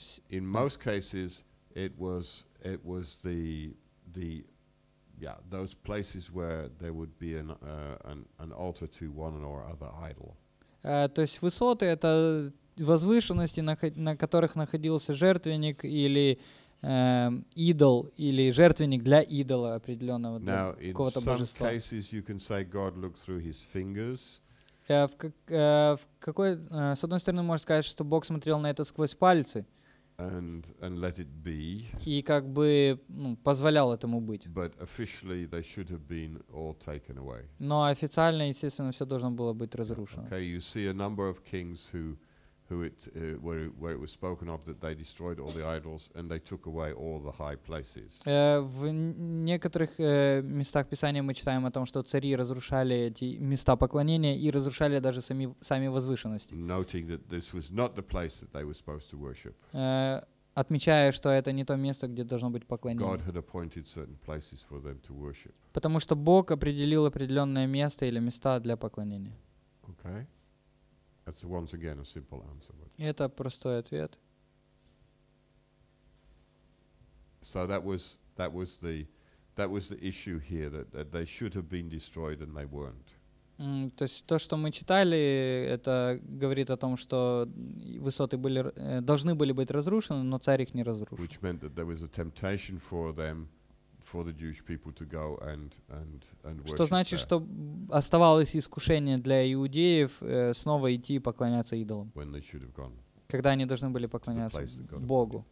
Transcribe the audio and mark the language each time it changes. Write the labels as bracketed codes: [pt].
[en] In most cases it was the yeah, those places where there would be an altar to one or other idol. [ru] То есть высоты — это возвышенности, на которых находился жертвенник или идол, или жертвенник для идола определенного, для какого-то божества. [en] Now, in some cases, you can say God looked through his fingers. [ru] С одной стороны, можно сказать, что Бог смотрел на это сквозь пальцы. [en] And let it be. [ru] И как бы позволял этому быть. [en] But officially they should have been all taken away. [ru] Но официально, естественно, все должно было быть разрушено. [en] Okay, you see a number of kings who it where it was spoken of that they destroyed all the idols and they took away all the high places. [ru] В некоторых местах Писания мы читаем о том, что цари разрушали эти места поклонения и разрушали даже сами возвышенности. [en] Noting that this was not the place that they were supposed to worship. [ru] Отмечая, что это не то место, где должно быть поклонение. [en] God had appointed certain places for them to worship. [ru] Потому что Бог определил определенное место или места для поклонения. [en] Okay. That's once again a simple answer. [ru] Это простой ответ. [en] So that was the issue here that they should have been destroyed and they weren't. [ru] То есть то, что мы читали, это говорит о том, что высоты были должны были быть разрушены, но царь их не разрушил. [en] Which meant that there was a temptation for them. For the Jewish people to go and worship. [ru] Что значит, [en] there. [ru] Что оставалось искушение для иудеев снова идти и поклоняться идолам? [en] When they should have gone. [ru] Когда они должны были поклоняться Богу